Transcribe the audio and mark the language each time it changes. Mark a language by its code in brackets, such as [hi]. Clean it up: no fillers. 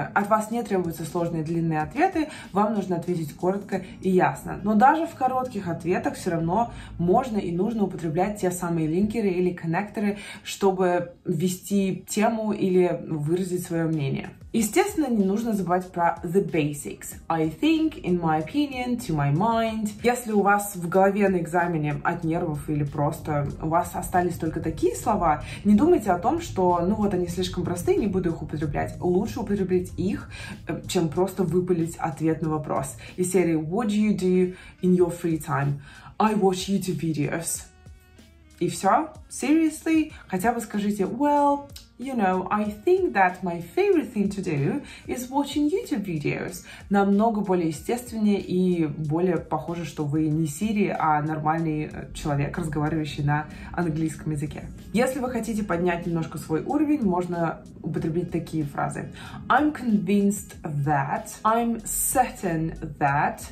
[ru] От вас не требуются сложные длинные ответы, вам нужно ответить коротко и ясно. Но даже в коротких ответах все равно можно и нужно употреблять те самые линкеры или коннекторы, чтобы ввести тему или выразить свое мнение. Естественно, не нужно забывать про [en] the basics. I think, in my opinion, to my mind. [ru] Если у вас в голове на экзамене от нервов или просто у вас остались только такие слова, не думайте о том, что, ну вот, они слишком простые, не буду их употреблять. Лучше употреблять их, чем просто выпалить ответ на вопрос. Из серии [en] What do you do in your free time? I watch YouTube videos. [ru] И все? [en] Seriously? [ru] Хотя бы скажите, [en] well, you know, I think that my favorite thing to do is watching YouTube videos. [ru] Намного более естественнее и более похоже, что вы не Siri, а нормальный человек, разговаривающий на английском языке. Если вы хотите поднять немножко свой уровень, можно употребить такие фразы. [en] I'm convinced that, I'm certain that.